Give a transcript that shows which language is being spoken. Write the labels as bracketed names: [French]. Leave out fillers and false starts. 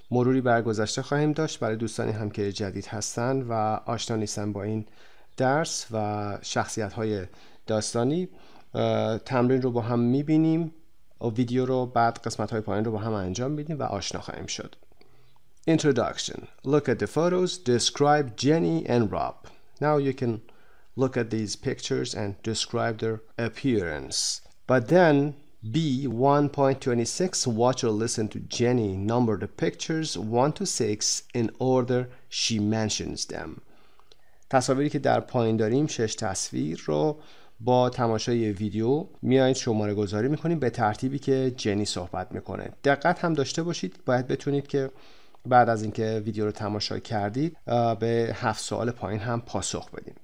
[Persian] مروری بر گذشته خواهیم داشت برای دوستانی هم که جدید هستن و آشنا نیستن با این درس و شخصیت های داستانی. تمرین رو با هم میبینیم و ویدیو رو بعد قسمت های پایین رو با هم انجام میدیم و آشنا خواهیم شد. [English] Introduction. Look at the photos. Describe Jenny and Rob. Now you can look at these pictures and describe their appearance. But then B1.26, watch or listen to Jenny number the pictures 1 to 6 in order she mentions them. [Persian] تصاویری که در پایین داریم، شش تصویر رو با تماشای ویدیو میایید شماره گذاری میکنیم به ترتیبی که جنی صحبت میکنه. دقت هم داشته باشید، باید بتونید که بعد از اینکه ویدیو رو تماشا کردید به 7 سوال پایین هم پاسخ بدیم.